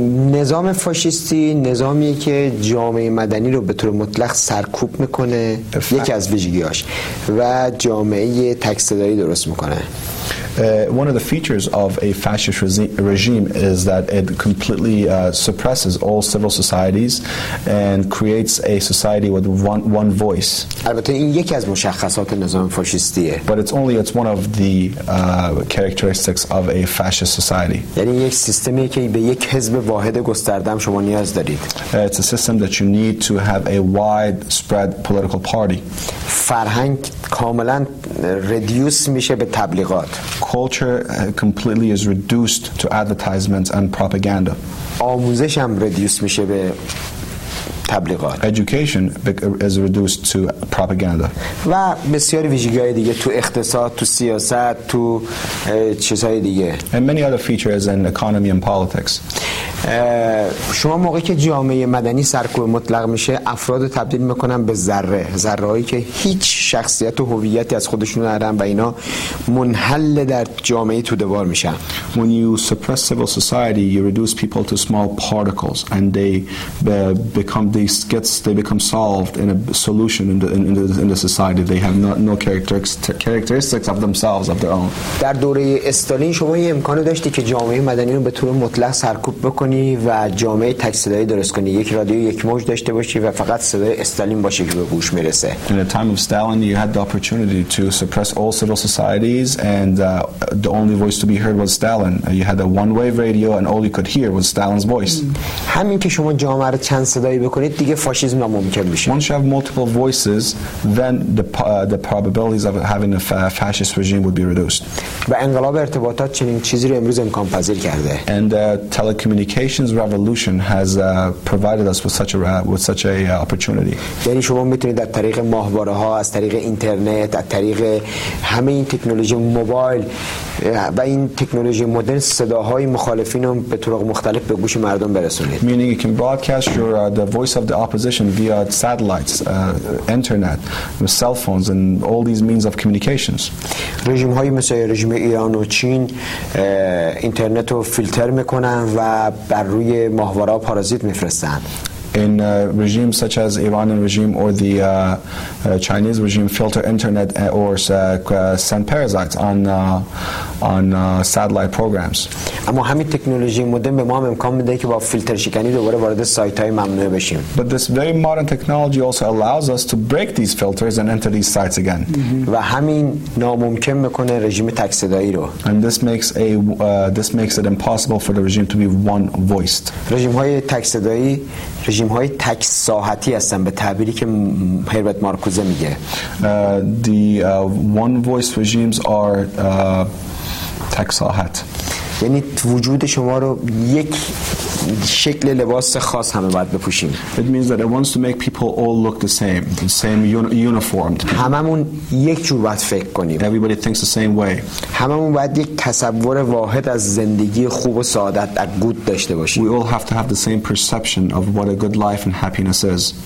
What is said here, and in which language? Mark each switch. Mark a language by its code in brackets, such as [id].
[fa] نظام فاشیستی نظامی که جامعه مدنی رو به طور مطلق سرکوب میکنه یکی از ویژگی‌هاش و جامعه تک صدایی درست میکنه. [en] One of the features of a fascist regime is that it completely suppresses all civil societies and creates a society with one voice. [fa] البته این یکی از مشخصات نظام فاشیستیه. [en] But it's one of the characteristics of a fascist society. [fa] یعنی یک سیستمی که به یک حزب واحد گسترده شما نیاز دارید. [en] It's a system that you need to have a widespread political party. [fa] فرهنگ کاملا ردیوس میشه به تبلیغات. [en] Culture completely is reduced to advertisements and propaganda. [fa] آموزش هم ردیوس میشه به تبلیغات. [en] Education is reduced to propaganda. [fa] و بسیاری ویژگی‌های دیگه تو اقتصاد، تو سیاست، تو چیزهای دیگه. [en] And many other features in economy and politics. [fa] شما موقعی که جامعه مدنی سرکوب مطلق میشه افراد تبدیل میکنن به ذره، ذرهایی که هیچ شخصیت و هویتی از خودشون ندارن و اینا منحل در جامعه توده‌وار میشن. [en] When you suppress civil society you reduce people to small particles and they become solved in a solution in the society. They have no characteristics of themselves of their own. [fa] در دوره استالین شما این امکان داشتی که جامعه مدنی رو به طور مطلق سرکوب بکنی و جامعه تک صدایی درست کنی، یک رادیو یک موج داشته باشی و فقط صدای استالین باشه که به گوش میرسه. [en] In the time of Stalin you had the opportunity to suppress all civil societies and the only voice to be heard was Stalin. You had a one wave radio and all you could hear was Stalin's voice. [fa] همین که شما جامعه رو چند صدایی بکنید دیگه فاشیسم ناممکن میشه. [en] Once you have multiple voices then the probabilities of having a fascist regime would be reduced. [fa] و انقلاب ارتباطات چنین چیزی رو امروز امکان پذیر کرده. [en] And telecommunications revolution has provided us with such a opportunity. [fa] یعنی شما میتونید از طریق ماهواره ها، از طریق اینترنت، از طریق همه این تکنولوژی موبایل و این تکنولوژی مدرن صداهای مخالفین رو به طرق مختلف به گوش مردم برسونید. [en] Meaning you can broadcast your the voice of the opposition via satellites, internet, cell phones and all these means of communications. [fa] رژیم های مثل رژیم ایران و چین اینترنت رو فیلتر میکنن و بر روی ماهواره پارازیت میفرستن. [en] In regimes such as Iranian regime or the Chinese regime, filter internet or send parasites on satellite programs. [fa] اما همین تکنولوژی مدرن به ما امکان میده که با فیلتر شکنی دوباره وارد سایت های ممنوعه بشیم. [en] But this very modern technology also allows us to break these filters and enter these sites again. [fa] و همین ناممکن میکنه رژیم تک صدایی رو. [en] And this makes it impossible for the regime to be one voiced. [fa] رژیم های تک صدایی رژیم های تک ساحتی هستن به تعبیری که هربرت مارکوزه میگه. [en] The one voice regimes are [fa] تک ساحت. یعنی وجود شما رو یک شکل لباس خاص همه باید بپوشیم. [en] It means that it wants to make people all look the same uniformed. [fa] هممون یک جور باید فکر کنیم. [en] Everybody thinks the same way. [fa] هممون باید یک تصور واحد از زندگی خوب و سعادت از گود داشته باشیم. [en] We all have to have the same perception of what a good life and happiness is.